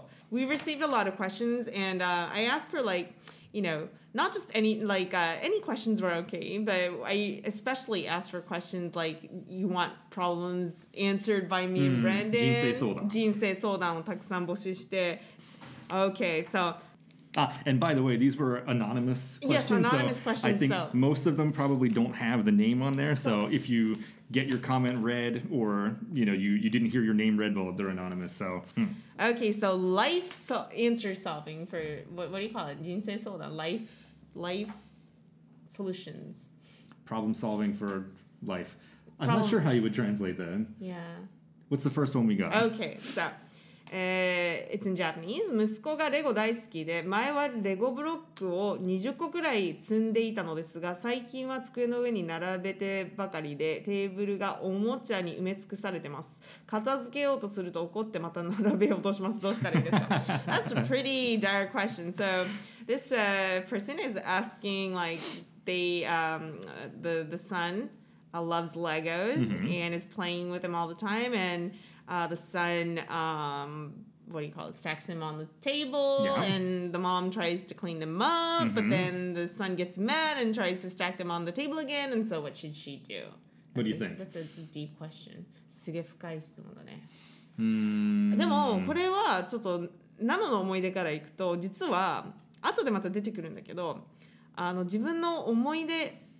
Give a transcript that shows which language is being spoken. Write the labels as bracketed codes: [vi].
[en] We received a lot of questions, and I asked for, like, you know, not just any, like, any questions were okay, but I especially asked for questions like, you want problems answered by me and Brandon. [ja] 人生相談をたくさん募集して. [en] Okay, so. And by the way, these were anonymous questions. Yes, anonymous questions. I think so. Most of them probably don't have the name on there, so if you get your comment read, or, you know, you didn't hear your name read, well, they're anonymous, so. Okay, so life answer solving for, what do you call it? [ja] 人生相談, [en] life solutions. Problem solving for life. I'm not sure how you would translate that. Yeah. What's the first one we got? Okay, so. It's in Japanese. [ja] 息子がレゴ大好きで、前はレゴブロックを20個くらい積んでいたのですが、最近は机の上に並べてばかりで、テーブルがおもちゃに埋め尽くされてます。片付けようとすると怒ってまた並べようとします。どうしたらいいですか? [en] That's a pretty dire question. So this person is asking, like, the son loves Legos and is playing with them all the time, andthe son, what do you call it, stacks them on the table, and the mom tries to clean them up, but then the son gets mad and tries to stack them on the table again, and so what should she do? What do you think? That's a deep question. [ja] すげえ深い質問だね。でもこれはちょっとナノの思い出からいくと、実は後でまた出てくるんだけど、自分の思い出